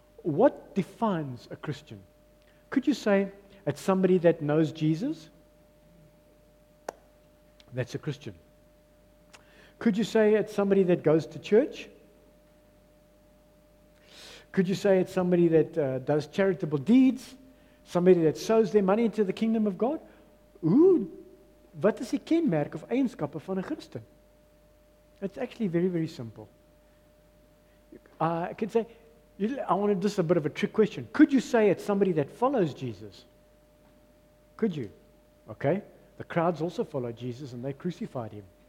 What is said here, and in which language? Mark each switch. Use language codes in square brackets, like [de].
[en] What defines a Christian? Could you say it's somebody that knows Jesus? That's a Christian. Could you say it's somebody that goes to church? Could you say it's somebody that does charitable deeds? Somebody that sows their money into the kingdom of God? [af] Wat is die kenmerk of eienskappe van 'n Christen? [en] It's actually very, very simple. This is a bit of a trick question. Could you say it's somebody that follows Jesus? Could you? Okay. The crowds also followed Jesus and they crucified him.